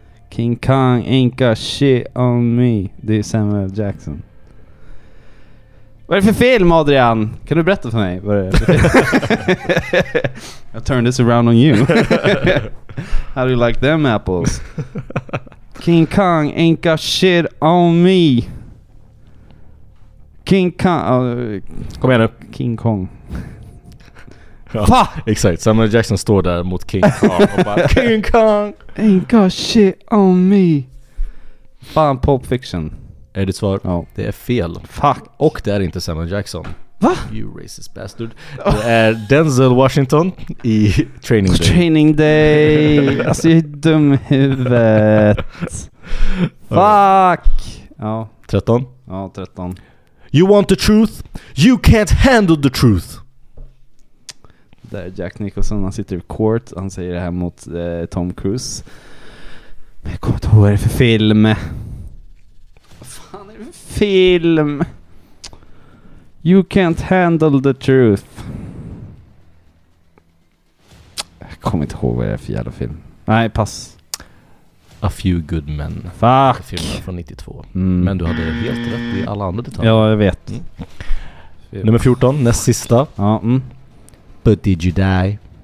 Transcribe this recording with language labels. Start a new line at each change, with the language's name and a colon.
English: King Kong ain't got shit on me.
Swedish: Det är Samuel Jackson. Vad är det för film, Adrian? Kan du berätta för mig? Vad är det?
English: I turned this around on you. How do you like them apples? King Kong ain't got shit on me. King Kong...
Swedish: Kom igen nu. King Kong. Ja, exakt. Samuel Jackson står där mot King Kong och bara King Kong
English: ain't got shit on me. Fan, Pulp Fiction.
Swedish: Är det svar? Ja. Det är fel. Fuck. Och det är inte Samuel Jackson. Va?
English: You racist bastard.
Swedish: Det är Denzel Washington i Training Day. Training Day. Alltså, jag är dum i huvudet. Fuck. Ja. 13? Ja, 13.
English: You want the truth? You can't handle the truth.
Swedish: Där Jack Nicholson, han sitter i court. Han säger det här mot Tom Cruise. Men jag kommer inte ihåg vad det är för film. Vad fan är det för film?
English: You can't handle the truth.
Swedish: Jag kommer inte ihåg vad det är för jävla film. Nej, pass. A Few Good Men. Fuck. Filmen från 92. Mm. Men du hade helt rätt i alla andra detaljer. Ja, jag vet. Mm. Nummer 14, näst sista. Ja, mm.
English: But did you die?